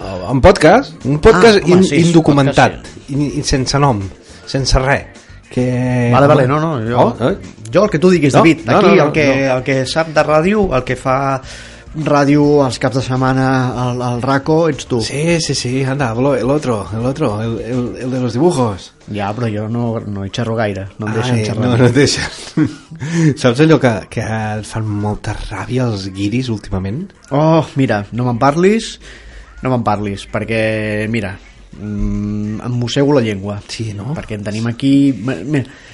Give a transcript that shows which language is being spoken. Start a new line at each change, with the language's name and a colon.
Catalan: Un podcast indocumentat, podcast, sí. Sense nom, sense res. Que... Vale, no, jo el que tu diguis, no, David, no, aquí no, el que sap de ràdio, el que fa ràdio els caps de setmana al RACO, ets tu.
Spanish: Sí, anda, el otro, el de los dibujos.
Catalan: Ja, però jo no hi xerro gaire, no em deixen xerrar. No et deixen. Saps allò que et fan molta ràbia els guiris últimament? Oh, mira, no me'n parlis, perquè, mira... em mossego la llengua. Sí, no? Perquè en tenim aquí, mira,